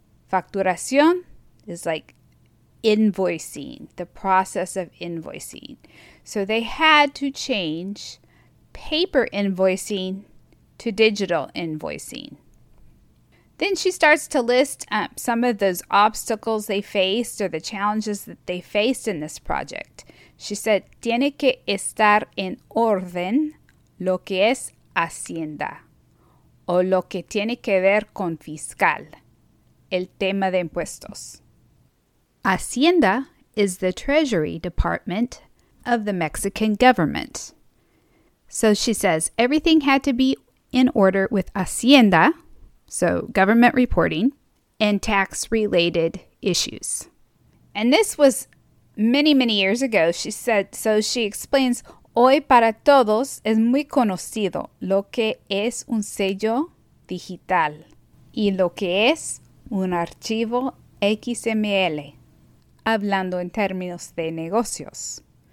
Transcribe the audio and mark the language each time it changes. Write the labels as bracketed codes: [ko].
[en] Facturación is like invoicing, the process of invoicing. So they had to change paper invoicing to digital invoicing. Then she starts to list some of those obstacles they faced or the challenges that they faced in this project. She said, [es] tiene que estar en orden lo que es Hacienda o lo que tiene que ver con fiscal, el tema de impuestos. [en] Hacienda is the Treasury Department of the Mexican government. So she says everything had to be in order with Hacienda, so government reporting, and tax-related issues. And this was many, many years ago, she said. So she explains, [es] hoy para todos es muy conocido lo que es un sello digital y lo que es un archivo XML, hablando en términos de negocios.